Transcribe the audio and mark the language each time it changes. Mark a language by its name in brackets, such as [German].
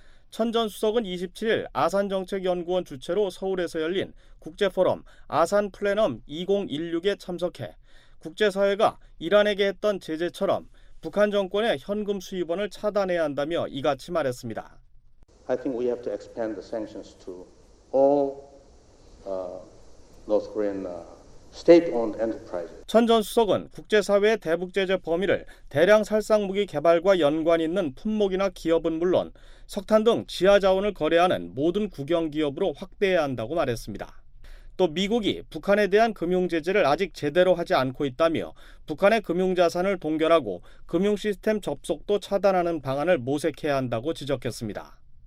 [Korean] 천 전 수석은 27일 아산정책연구원 주최로 서울에서 열린 국제포럼 아산플래넘 2016에 참석해 국제사회가 이란에게 했던 제재처럼 북한 정권의 현금 수입원을 차단해야 한다며 이같이 말했습니다. [English] I think we have to expand the sanctions to all North Korean state-owned enterprises. [Korean] 천 전 수석은 국제사회의 대북 제재 범위를 대량 살상 무기 개발과 연관 있는 품목이나 기업은 물론 석탄 등 지하 자원을 거래하는 모든 국영 기업으로 확대해야 한다고 말했습니다. 또 미국이 북한에 대한 금융 제재를 아직 제대로 하지 않고 있다며 북한의 금융 자산을 동결하고 금융 시스템 접속도 차단하는 방안을 모색해야 한다고 지적했습니다.